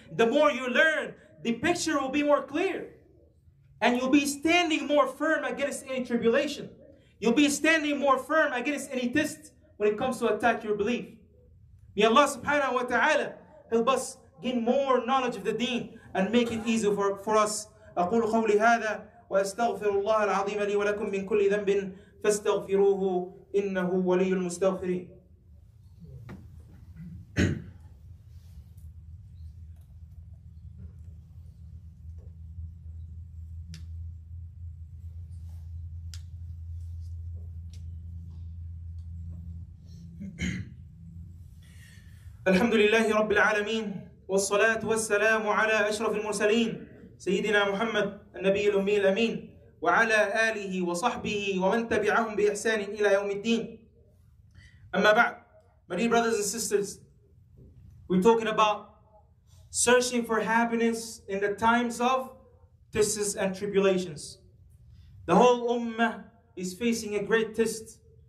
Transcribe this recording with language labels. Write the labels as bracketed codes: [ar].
[en] The more you learn, the picture will be more clear. And you'll be standing more firm against any tribulation. You'll be standing more firm against any test when it comes to attack your belief. May Allah subhanahu wa ta'ala help us gain more knowledge of the deen and make it easy for us. [ar] أقول قولي هذا وأستغفر الله العظيم لي ولكم من كل ذنب فاستغفروه إنه ولي المستغفرين. الحمد لله رب العالمين والصلاة والسلام على أشرف المرسلين سيدنا محمد النبي الأمي الأمين وعلى آله وصحبه ومن تبعهم بإحسان إلى يوم الدين. أما بعد, [en] my dear brothers and sisters, we're talking about searching for happiness in the times of tests and tribulations. The whole ummah is facing a great test.